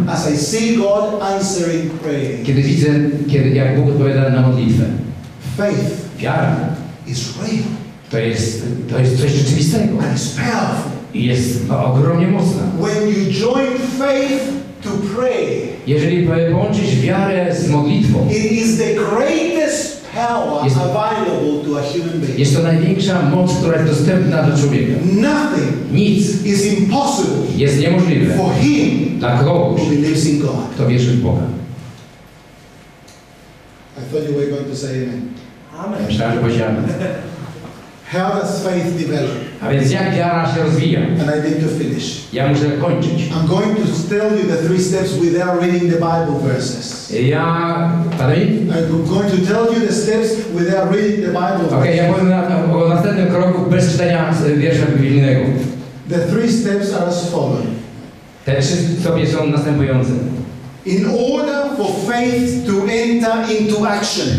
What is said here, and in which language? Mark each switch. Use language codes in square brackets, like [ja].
[en] As I see God answering prayer. [pl] Kiedy widzę, jak Bóg odpowiada na modlitwę. [en] Faith. [pl] Wiara. [en] Is real. [pl] To jest coś rzeczywistego. [en] And it's powerful. [pl] I jest ogromnie mocna. [en] When you join faith to pray, [pl] jeżeli połączyć wiarę z modlitwą, [en] it is the greatest power available to a human being. [pl] Jest to największa moc, która jest dostępna do człowieka. [en] Nothing [pl] nic [en] is impossible [pl] jest niemożliwe [en] for him [pl] dla kogoś, [en] who believes in God. [pl] Kto wierzy w Boga. [en] I thought you were going to say amen. Amen. [pl] Myślałem, że powiedział amen. [en] How does faith develop? [pl] A więc jak wiara się rozwija? [en] And I need to finish. [pl] Ja muszę kończyć. [en] I'm going to tell you the three steps without reading the Bible verses. [pl] Ja, [en] I'm going to tell you the steps without reading the Bible verses. [pl] Okay, ja powiem o następnym kroku bez czytania wiersza biblijnego. [en] The three steps are as follows. [pl] Te trzy sobie są następujące. [en] In order for faith to enter into action,